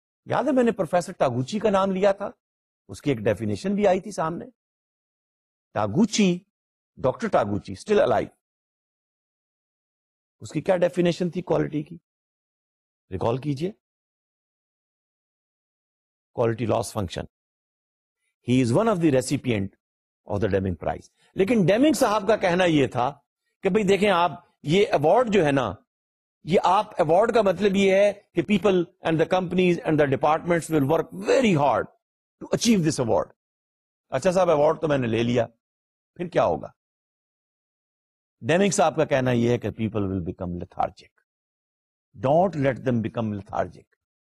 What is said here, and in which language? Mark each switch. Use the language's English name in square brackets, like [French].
[Urdu] یاد ہے میں نے پروفیسر ٹاگوچی کا نام لیا تھا, اس کی ایک ڈیفینیشن بھی آئی تھی سامنے. ٹاگوچی, ڈاکٹر ٹاگوچی, اسٹل الائیو, اس کی کیا ڈیفینیشن تھی کوالٹی کی ریکال کیجئے, quality loss function. [English] He is one of the recipient of the Deming prize. [Urdu] لیکن ڈیمنگ صاحب کا کہنا یہ تھا کہ بھئی دیکھیں آپ یہ ایوارڈ جو ہے نا, یہ آپ ایوارڈ کا مطلب یہ ہے کہ [English] People and the companies and the departments will work very hard to achieve this award. [Urdu] اچھا صاحب ایوارڈ تو میں نے لے لیا, پھر کیا ہوگا؟ ڈیمنگ صاحب کا کہنا یہ ہے کہ [English] People will become lethargic, don't let them become lethargic.